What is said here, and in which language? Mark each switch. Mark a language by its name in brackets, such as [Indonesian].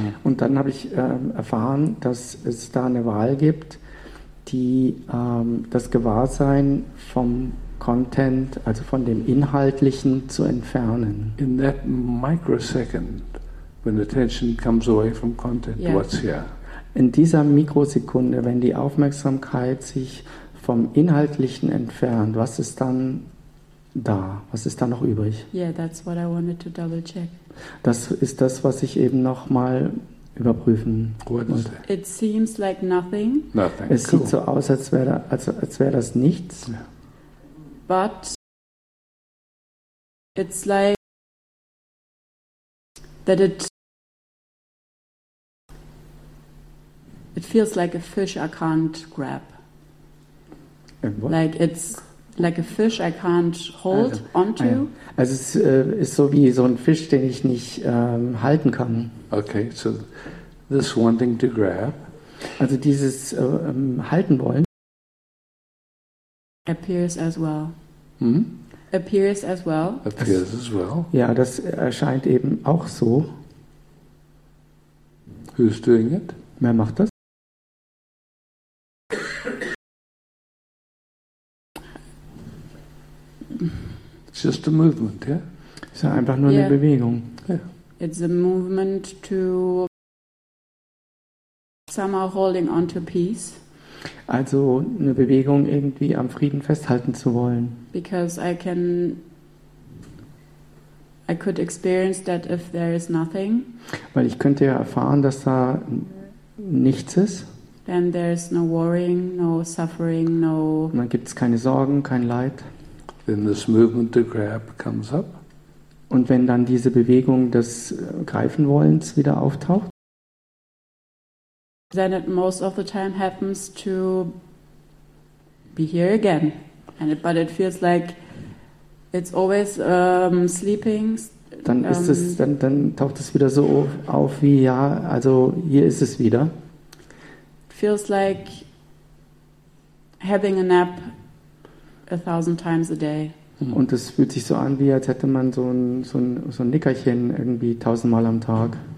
[German] Und dann habe ich erfahren, dass es da eine Wahl gibt, die das Gewahrsein vom Content, also von dem Inhaltlichen, zu entfernen. [English] In that microsecond, when attention comes away from content, yeah. What's here? [German] In dieser Mikrosekunde, wenn die Aufmerksamkeit sich vom Inhaltlichen entfernt, was ist dann da? Was ist da noch übrig? [English] Yeah, that's what I wanted to double check. [German] Das ist das, was ich eben noch mal überprüfen wollte. [English] It seems like nothing. Nothing. [German] Es sieht so aus, als wäre das nichts. [English] Yeah. But it's like that it feels like a fish I can't grab. Like it's like a fish I can't hold onto. [German] Also es ist so wie so ein Fisch, den ich nicht halten kann. [English] Okay, so this wanting to grab. [German] Also dieses halten wollen. [English] Appears as well. Hm? Appears as well. Appears as well. [German] Ja, das erscheint eben auch so. [English] Who's doing it? [German] Wer macht das? [English] It's just a movement, yeah? [German] Es ist einfach nur yeah. eine Bewegung. [English] Yeah. It's a movement to somehow holding on to peace. [German] Also eine Bewegung, irgendwie am Frieden festhalten zu wollen. [English] Because I could experience that if there is nothing. [German] Weil ich könnte ja erfahren, dass da nichts ist. [English] Then there is no worrying, no suffering, no. [German] Und dann gibt es keine Sorgen, kein Leid. [English] Then this movement to grab comes up. [German] Und wenn dann diese Bewegung des Greifenwollens wieder auftaucht, [English] then it most of the time happens to be here again. And it, but it feels like it's always sleeping. [German] Dann ist es, dann taucht es wieder so auf wie ja, also hier ist es wieder. [English] Feels like having a nap. 1,000 times a day. [German] Und es fühlt sich so an, wie als hätte man so ein Nickerchen irgendwie 1,000 Mal am Tag.